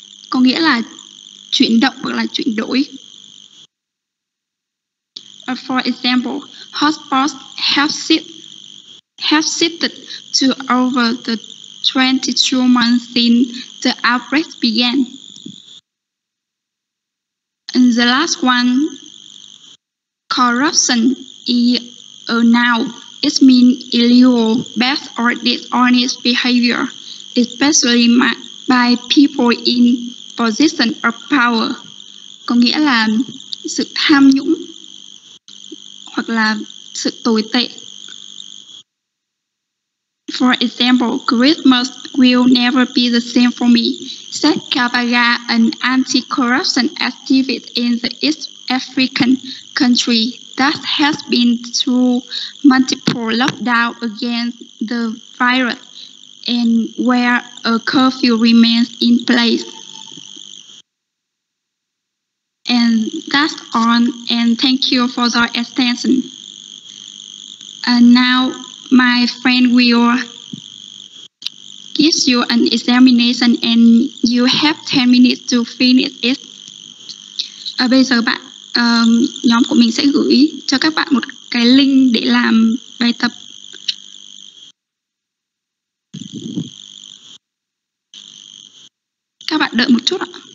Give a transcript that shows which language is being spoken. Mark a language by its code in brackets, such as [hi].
[vi] Có nghĩa là chuyển động hoặc là chuyển đổi. [en] For example, hotspots have shifted to over the 22 months since the outbreak began. And the last one, corruption is a noun, it means illegal, bad or dishonest behavior, especially by people in position of power. [vi] Có nghĩa là sự tham nhũng hoặc là sự tồi tệ. [en] For example, Christmas will never be the same for me, said Kabaga, an anti-corruption activist in the East African country that has been through multiple lockdowns against the virus and where a curfew remains in place. And that's all, and thank you for the extension. And now, my friend will give you an examination and you have 10 minutes to finish it. [vi] Bây giờ bạn, nhóm của mình sẽ gửi cho các bạn một cái link để làm bài tập. Các bạn đợi một chút ạ.